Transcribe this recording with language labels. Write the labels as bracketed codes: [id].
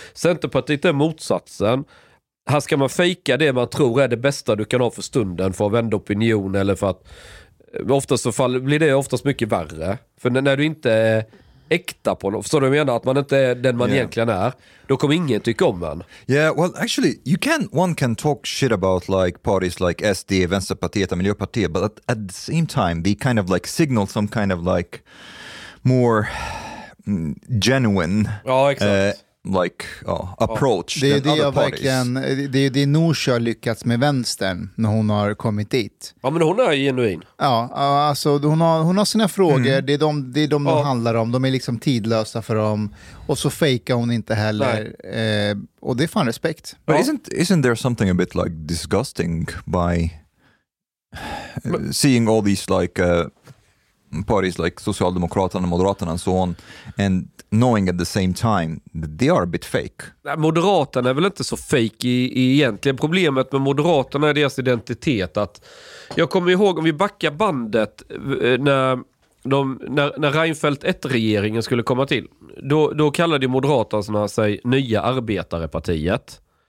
[sv] Centerpartiet är motsatsen. Här ska man fejka det man tror är det bästa du kan ha för stunden för att vända opinion, eller för att oftast så fall, blir det oftast mycket värre. För när du inte är äkta på något, förstår du vad jag menar? Att man inte är den man egentligen är, då kommer ingen tycka om en. [en] Yeah, well, actually, one can talk shit about like parties like SD, Vänsterpartiet [sv] och [en] Miljöpartiet, but at the same time, they kind of like signal some kind of like more genuine approach than other parties. [sv] Verkligen, det är det Norsjö lyckats med vänstern när hon har kommit dit. Ja, men hon är genuin. Ja, alltså hon har sina frågor, det är de handlar om. De är liksom tidlösa för dem. Och så fejkar hon inte heller. Och det är fan respekt. [en] But isn't there something a bit like disgusting by seeing all these like parties like Socialdemokraterna, Moderaterna [sv] och så [en] on, and knowing at the same time that they are a bit fake. [sv] Moderaterna är väl inte så fake i egentligen. Problemet med Moderaterna är deras identitet. Att jag kommer ihåg, om vi backar bandet, när Reinfeldt 1-regeringen skulle komma till, då kallade Moderaterna sig Nya Arbetarepartiet.